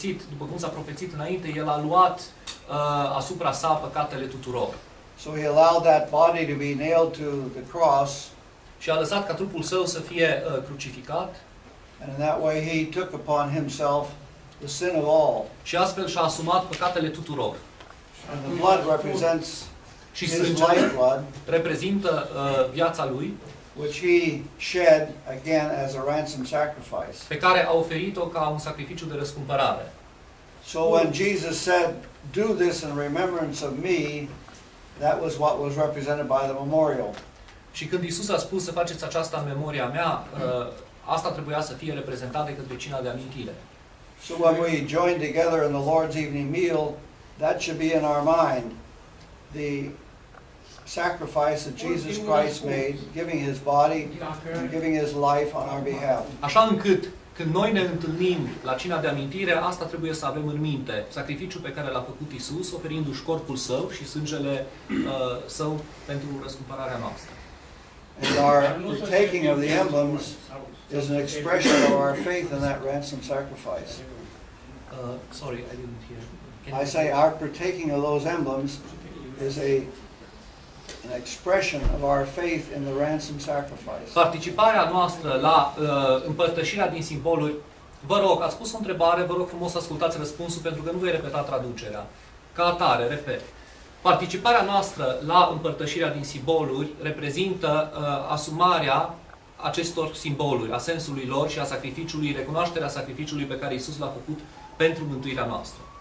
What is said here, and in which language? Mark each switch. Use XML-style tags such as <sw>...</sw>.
<ro>După cum s-a profețit înainte, el a luat asupra sa păcatele tuturor.</ro> <en>So he allowed that body to be nailed to the cross.</en> <ro>Și a lăsat ca trupul său să fie crucificat.</ro> <en>And in that way he took upon himself the sin of all.</en> <ro>Și astfel și-a asumat păcatele tuturor.</ro> <en>And the blood represents</en> <ro>și sângele reprezintă viața lui,</ro> <en>which he shed again as a ransom sacrifice.</en> <ro>Pe care a oferit-o ca un sacrificiu de răscumpărare.</ro> <en>So when Jesus said, "Do this in remembrance of me," that was what was represented by the memorial.</en> <ro>Și când Iisus a spus să faceți aceasta în memoria mea, asta trebuia să fie reprezentat de către cina de amintire.</ro> <en>So when we join together in the Lord's evening meal, that should be in our mind. The sacrifice that Jesus Christ made, giving his body and giving his life on our behalf.</en> <ro>Așa încât când noi ne întâlnim la cina de amintire, asta trebuie să avem în minte, sacrificiul pe care l-a făcut Iisus, oferindu-și corpul său și sângele său pentru răscumpărarea noastră.</ro> <en>And our taking of the emblems is an expression of our faith in that ransom sacrifice. Sorry, I didn't hear. Can I say our partaking of those emblems is an expression of our faith in the ransom sacrifice.</en> <ro>Participarea noastră la împărtășirea din simboluri. Vă rog, ați pus o întrebare, vă rog frumos ascultați răspunsul pentru că nu voi repeta traducerea. Ca atare, repet. Participarea noastră la împărtășirea din simboluri reprezintă asumarea acestor simboluri, a sensului lor și a sacrificiului, recunoașterea sacrificiului pe care Iisus l-a făcut pentru mântuirea noastră.</ro>